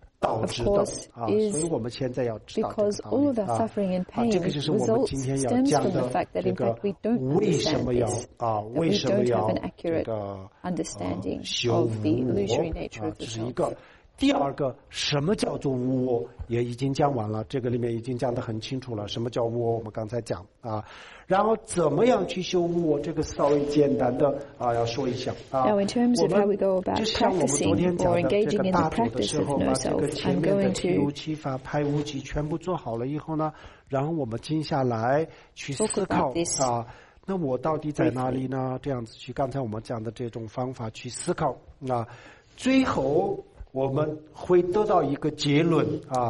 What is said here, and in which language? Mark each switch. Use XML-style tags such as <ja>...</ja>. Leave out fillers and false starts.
<zh>导致的啊，所以我们现在要知道这个道理 啊，这个就是我们今天要讲的这个为什么要啊，为什么要这个修无我啊，这是一个。第二个，什么叫做我，也已经讲完了，这个里面已经讲得很清楚了，什么叫我，我们刚才讲啊，然后怎么样去修我，这个稍微简单的啊要说一下啊。</zh> <en>Now in terms of how we go about practicing or engaging in the practice of no self, I'm going to</en> <zh>五七法拍五七全部做好了以后呢，然后我们静下来去思考啊，那我到底在哪里呢，这样子去刚才我们讲的这种方法去思考啊，最后我们会得到一个结论啊，</zh>